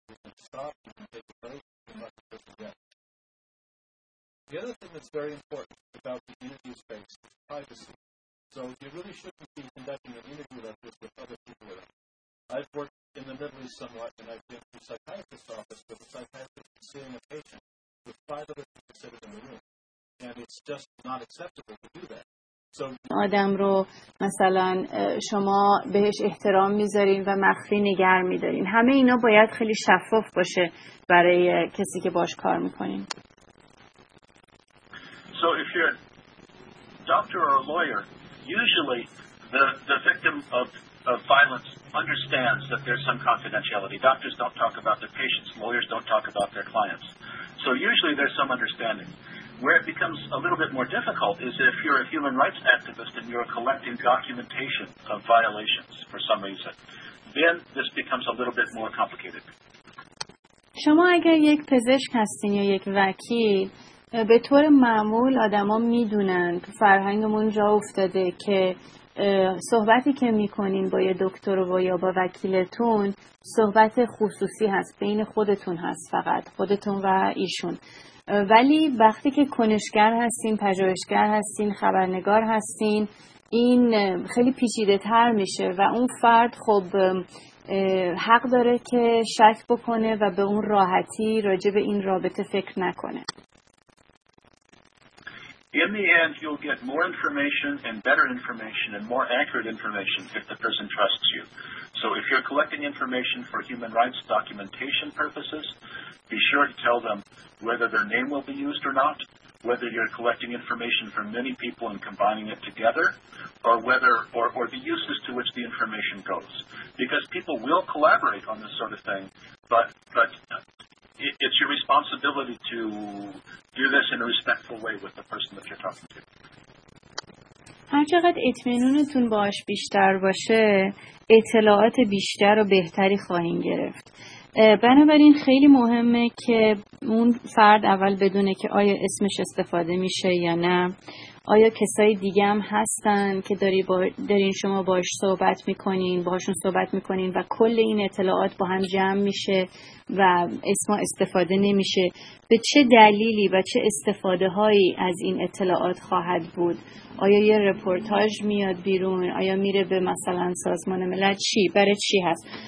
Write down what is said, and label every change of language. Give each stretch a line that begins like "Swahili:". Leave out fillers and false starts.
English: You can stop, you can take a break, and let the person get it. The other thing that's very important about the interview space is privacy. So you really shouldn't be conducting an interview like this with other people around. I've worked in the Middle East somewhat, and I've been to a psychiatrist's office where the psychiatrist is seeing a patient with five other people sitting in the room, and it's just not acceptable to do that.
Persian: آدم رو مثلا شما بهش احترام میذارین و مخفی نگر میدارین. همه اینا باید خیلی شفاف باشه برای کسی که باش کار میکنین.
English: So if you're a doctor or a lawyer, usually the victim of violence understands that there's some confidentiality. Doctors don't talk about their patients. Lawyers don't talk about their clients. So usually there's some understanding. Where it becomes a little bit more difficult is if you're a human rights activist and you're collecting documentation of violations for some reason. Then this becomes a little bit more complicated.
Persian: شما اگر یک پزشک هستین یا یک وکیل، به طور معمول آدما میدونن تو فرهنگمون جا افتاده که صحبتی که میکنین با یه دکتر و یا با وکیلتون صحبت خصوصی هست، بین خودتون هست، فقط خودتون و ایشون. ولی وقتی که کنشگر هستین، پژوهشگر هستین، خبرنگار هستین، این خیلی پیچیده تر میشه و اون فرد خب حق داره که شک بکنه و به اون راحتی راجع به این رابطه فکر نکنه.
English: In the end, you'll get more information and better information and more accurate information if the person trusts you. So if you're collecting information for human rights documentation purposes, be sure to tell them whether their name will be used or not, whether you're collecting information from many people and combining it together, or whether or the uses to which the information goes. Because people will collaborate on this sort of thing, but it's your responsibility to do this in a respectful way with the person that you're talking to.
Persian: هر چقدر اطمینانتون باش بیشتر باشه، اطلاعات بیشتر و بهتری خواهیم گرفت. بنابراین خیلی مهمه که اون فرد اول بدونه که آیا اسمش استفاده میشه یا نه، آیا کسای دیگه هم هستن که دارین شما باش صحبت میکنین، باشون صحبت میکنین و کل این اطلاعات با هم جمع میشه و اسما استفاده نمیشه، به چه دلیلی و چه استفاده هایی از این اطلاعات خواهد بود، آیا یه رپورتاج میاد بیرون، آیا میره به مثلا سازمان ملل، چی برای چی هست.